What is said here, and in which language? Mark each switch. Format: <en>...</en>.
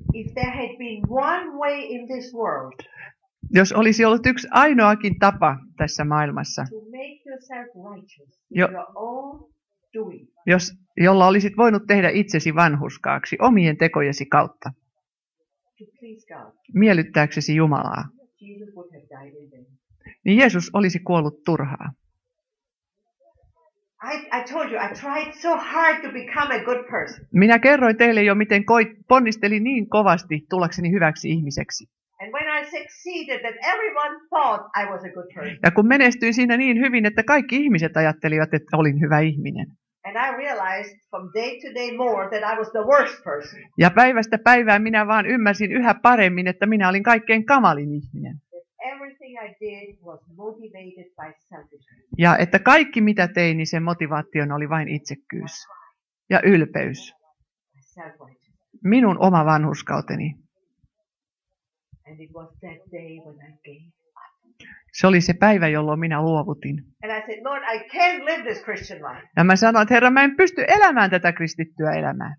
<en>If there had been one way in this world,</en> <fi>jos olisi ollut yksi ainoakin tapa tässä maailmassa,</fi> <en>to make yourself righteous in your own doing,</en> <fi>jolla olisit voinut tehdä itsesi vanhuskaaksi omien tekojesi kautta,</fi> <en>to please God,</en> <fi>miellyttääksesi Jumalaa,</fi> <en>Jesus would have died in vain.</en> <fi>Niin Jeesus olisi kuollut turhaa.</fi> <en>I told you, I tried so hard to become a good person.</en> <fi>Minä kerroin teille jo, miten ponnisteli niin kovasti tullakseni hyväksi ihmiseksi.</fi> <en>And when I succeeded, that everyone thought I was a good person.</en> <fi>Ja kun menestyin siinä niin hyvin, että kaikki ihmiset ajattelivat, että olin hyvä ihminen.</fi> <en>And I realized from day to day more that I was the worst person.</en> <fi>Ja päivästä päivään minä vaan ymmärsin yhä paremmin, että minä olin kaikkein kamalin ihminen.</fi> <en>Everything I did was motivated by selfishness.</en> <fi>Ja että kaikki mitä tein, niin sen motivaation oli vain itsekkyys ja ylpeys. Minun oma vanhurskauteni.</fi> <en>And it was that day when I gave up.</en> <fi>Se oli se päivä, jolloin minä luovutin.</fi> <en>And I said, Lord, I can't live this Christian life.</en> <fi>Ja mä sanoin, että Herra, mä en pysty elämään tätä kristittyä elämää.</fi>